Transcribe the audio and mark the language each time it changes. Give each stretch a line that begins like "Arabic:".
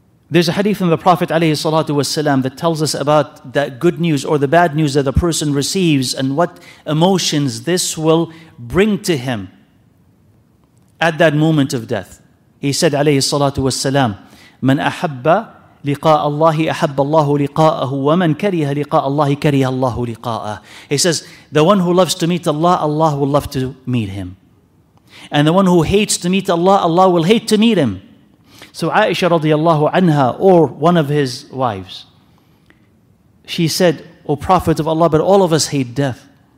English: There's a hadith in the Prophet ﷺ that tells us about that good news or the bad news that a person receives and what emotions this will bring to him at that moment of death. He said
Arabic: ﷺ, مَنْ أَحَبَّ لقاء الله أحب الله لقاءه ومن كره لقاء الله كره الله لقاءه.
English: He says, the one who loves to meet Allah, Allah will love to meet him. And the one who hates to meet Allah, Allah will hate to meet him. So Aisha radiallahu anha, or one of his wives, she said, O Prophet of Allah, but all of us hate death.